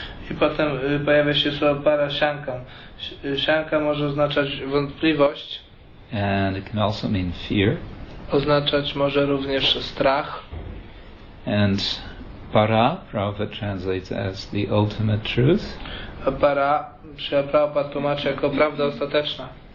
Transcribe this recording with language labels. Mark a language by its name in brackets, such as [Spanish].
[Polish] I potem pojawia się słowo parashanka. Shanka może oznaczać wątpliwość. [English] And it can also mean fear. [Polish] Oznaczać może również strach. [English] And para, Prabhupada translates as the ultimate truth. [Polish] A para, Śrīla Prabhupāda tłumaczy jako prawda ostateczna.